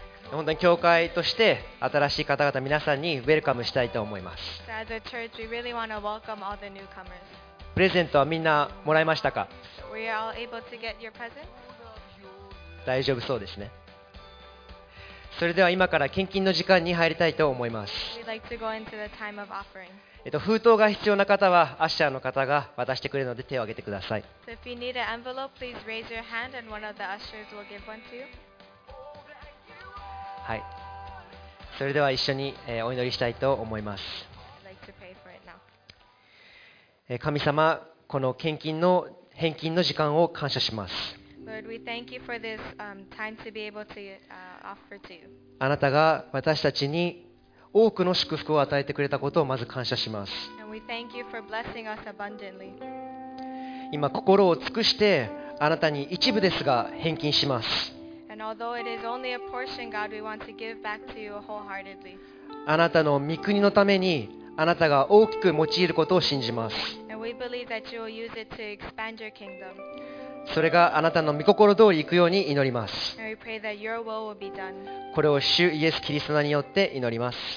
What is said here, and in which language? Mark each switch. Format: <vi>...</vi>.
<ja>本当に教会として新しい方々皆さんにウェルカムしたいと思います。</ja> <en>So as a church, we really want to welcome all the newcomers.</en> <ja>プレゼントはみんなもらいましたか？</ja> <en>We are all able to get your presents?</en> <ja>大丈夫そうですね。それでは今から献金の時間に入りたいと思います。</ja> <en>We'd like to go into the time of offering.</en> <ja>封筒が必要な方はアッシャーの方が渡してくれるので手を挙げてください。</ja> <en>So if you need an envelope, please raise your hand and one of the ushers will give one to you.</en> <ja>はい、それでは一緒にお祈りしたいと思います。</ja> <en>I'd like to pray for it now.</en> <ja>神様、この献金の返金の時間を感謝します。</ja> <en>Lord, we thank you for this time to be able to offer to you.</en> <ja>あなたが私たちに多くの祝福を与えてくれたことをまず感謝します。</ja> <en>And we thank you for blessing us abundantly.</en> <ja>今心を尽くしてあなたに一部ですが返金します。</ja> <en>And although it is only a portion, God, we want to give back to you wholeheartedly.</en> <ja>あなたの御国のためにあなたが大きく用いることを信じます。</ja> <en>And we believe that you will use it to expand your kingdom.</en> <ja>それがあなたの御心通り行くように祈ります。</ja> <en>We pray that your will be done.</en> <ja>これを主イエスキリストによって祈ります。</ja>